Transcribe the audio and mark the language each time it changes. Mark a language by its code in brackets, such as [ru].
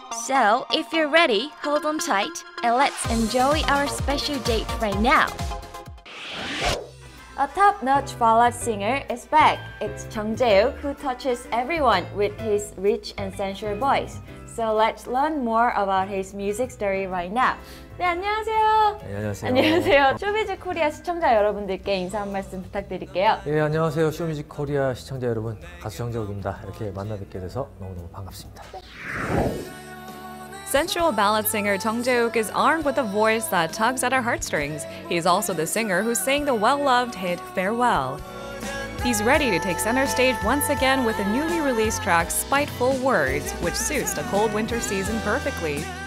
[en] So, if you're ready, hold on tight, and let's enjoy our special date right now. A top-notch ballad singer is back. It's Jung Jae-woo, who touches everyone with his rich and sensual voice. So let's learn more about his music story right now. [ko] 네, 안녕하세요. 네, 안녕하세요. 안녕하세요. 쇼미즈 코리아 시청자 여러분들께 인사 한 말씀 부탁드릴게요. 네, 안녕하세요. 쇼미즈 코리아 시청자 여러분, 가수 정재욱입니다. 이렇게 만나 뵙게 돼서 너무너무 반갑습니다. [en] Sensual ballad singer Jung Jae-wook is armed with a voice that tugs at our heartstrings. He is also the singer who sang the well-loved hit Farewell. He's ready to take center stage once again with a newly released track, Spiteful Words, which suits the cold winter season perfectly.